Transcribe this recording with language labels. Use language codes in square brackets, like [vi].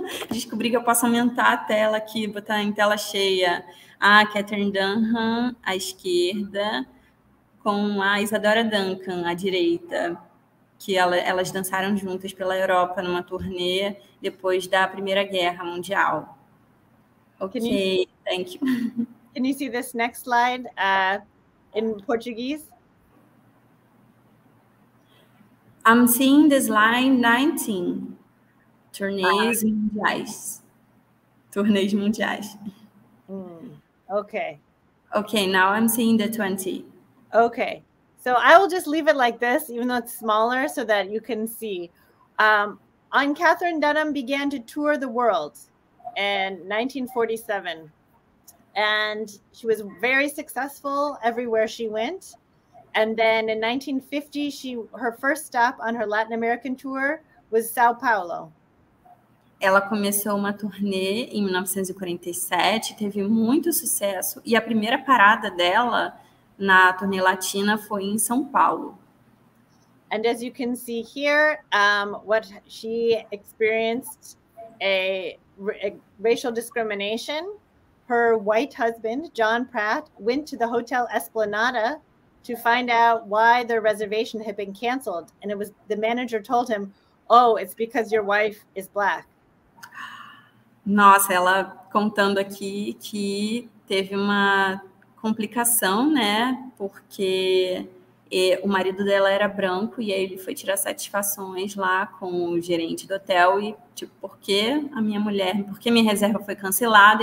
[pt] Descobri que eu posso aumentar a tela aqui, botar em tela cheia. Ah, Catherine Dunham à esquerda, com a Isadora Duncan à direita. que elas dançaram juntas pela Europa numa turnê depois da Primeira Guerra Mundial. [en] Okay, thank you. Can you see this next slide in Portuguese? I'm seeing this line 19, [pt] turnês mundiais. Turnês mundiais. [en] Okay. Okay, now I'm seeing the 20. Okay, so I will just leave it like this, even though it's smaller, so that you can see. Anne Catherine Dunham began to tour the world in 1947. And she was very successful everywhere she went. And then in 1950, her first stop on her Latin American tour was São Paulo. [pt] Ela começou uma turnê em 1947, teve muito sucesso, e a primeira parada dela na turnê latina foi em São Paulo. [en] And as you can see here, what she experienced a racial discrimination. Her white husband, John Pratt, went to the Hotel Esplanada to find out why their reservation had been canceled. And it was the manager told him, oh, it's because your wife is black. [pt] Nossa, ela contando aqui que teve uma complicação, né? Porque o marido dela era branco e aí ele foi tirar satisfações lá com o gerente do hotel e tipo, porque minha reserva foi cancelada?